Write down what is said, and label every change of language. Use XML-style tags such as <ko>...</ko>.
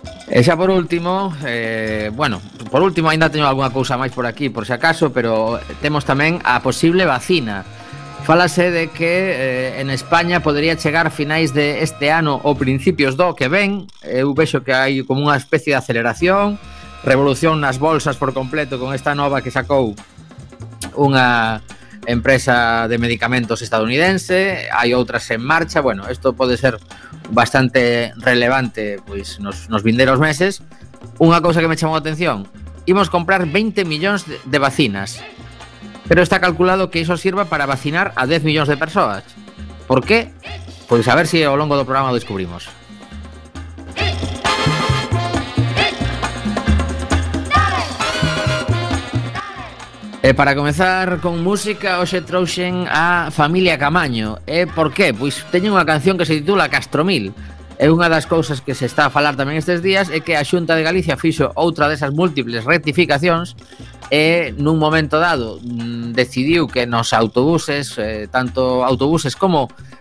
<gl>E xa por último, por último aínda teño algunha cousa máis por aquí, por se acaso, pero temos tamén a posible vacina. Fálase de que en España podería chegar finais de este ano ou principios do que ven. Eu vexo que hai como unha especie de aceleración, revolución nas bolsas por completo con esta nova que sacou unha</gl> <es>empresa de medicamentos estadounidense, hay otras en marcha. Bueno, esto puede ser bastante relevante pues</es> <gl>nos vinderos meses.</gl> <es>Una cosa que me llamó la atención: íbamos a comprar 20 millones de vacinas, pero está calculado que eso sirva para vacinar a 10 millones de personas. ¿Por qué? Pues a ver si a lo largo del programa lo descubrimos.</es> <gl>Para comenzar con música, hoxe trouxen a Familia Caamaño. Por qué? Pois teñen unha canción que se titula Castromil. É unha das cousas que se está a falar tamén estes días, é que a Xunta de Galicia fixo outra desas múltiples rectificacións e nun momento dado decidiu que nos autobuses, tanto autobuses como</gl>